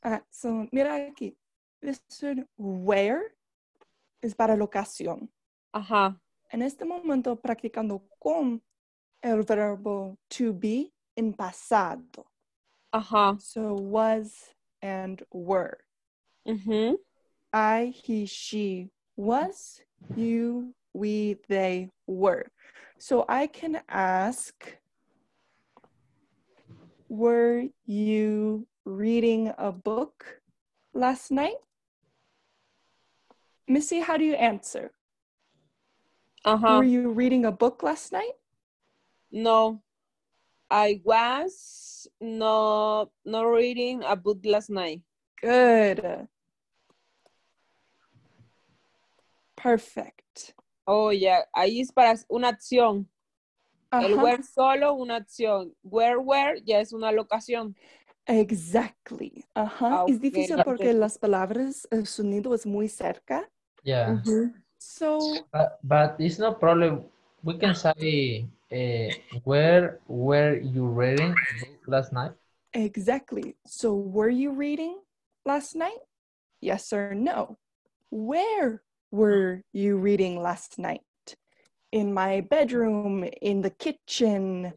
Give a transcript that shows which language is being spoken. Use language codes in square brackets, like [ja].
[es] So, mira aquí. Listen, where es para locación. Ajá. En este momento, practicando con el verbo to be en pasado. Ajá. [en] So, was and were. Mm-hmm. I, he, she, was, you, we, they, were. So, I can ask, were you reading a book last night? Missy, how do you answer? Uh-huh. Were you reading a book last night? No. I was not reading a book last night. Good. Perfect. Oh, yeah. [es] Ahí es para una acción. Uh-huh. El where solo, una acción. Where, ya es una locación. [en] Exactly. Uh-huh. Okay. [es] Es difícil porque las palabras, el sonido es muy cerca. [en] Yeah. Mm-hmm. So, but it's no problem. We can say, where were you reading last night? Exactly. So, were you reading last night? Yes or no. Where were you reading last night? In my bedroom, in the kitchen,